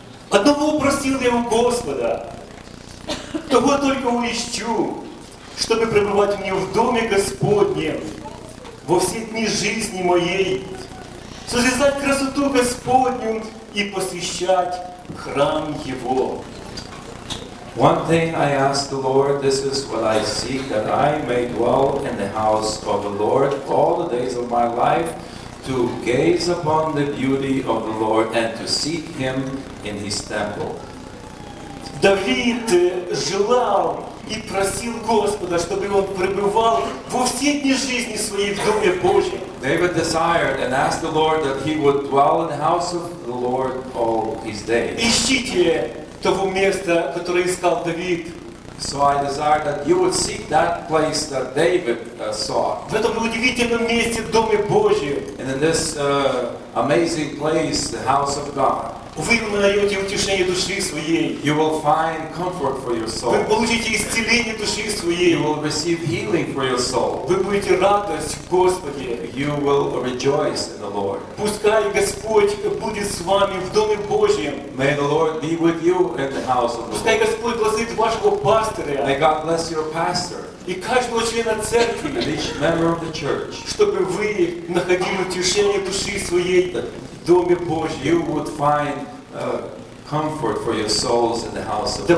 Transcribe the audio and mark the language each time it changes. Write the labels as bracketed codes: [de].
[ru] Одного упросил я у Господа, того только уищу, чтобы пребывать мне в доме Господнем во все дни жизни моей, созидать красоту Господню и посвящать храм Его. [en] One thing I ask the Lord, this is what I seek, that I may dwell in the house of the Lord all the days of my life, to gaze upon the beauty of the Lord and to seek Him in His temple. [ru] David желал и просил Господа, чтобы он пребывал во все дни жизни своей в доме Божьем. [en] David desired and asked the Lord that he would dwell in the house of the Lord all his days. [ru] Ищите того места, которое искал Давид. [en] So I desire that you would seek that place that David sought. [ru] В этом удивительном месте, в доме Божьем. [en] And in this amazing place, the house of God. [ru] Вы найдете утешение души своей. [en] You will find comfort for your soul. [ru] Вы получите исцеление души своей. [en] You will receive healing for your soul. [ru] Вы будете радость в Господе. [en] You will rejoice in the Lord. [ru] Пускай Господь будет с вами в доме Божьем. [en] May the Lord be with you in the house of the Lord. [ru] Пускай Господь благословит вашего пастыря. [en] May God bless your pastor. [ru] И каждого члена церкви. [en] And each member of the church. [ru] Чтобы вы находили утешение души своей. Доме Божьем. [en] You would find comfort for your souls in the house of God.